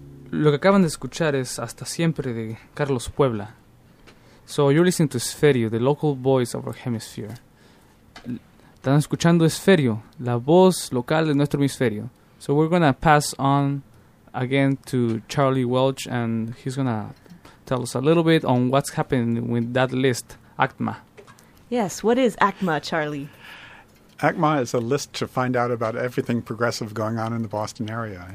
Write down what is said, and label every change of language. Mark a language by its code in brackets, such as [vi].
[es] Lo que acaban de escuchar es Hasta Siempre de Carlos Puebla. [en] So you're listening to Esferio, the local voice of our hemisphere. [es] Están escuchando Esferio, la voz local de nuestro hemisferio. [en] So we're going to pass on again to Charlie Welch, and he's going to tell us a little bit on what's happening with that list, ACTMA. Yes, what is ACTMA, Charlie? ACTMA is a list to find out about everything progressive going on in the Boston area.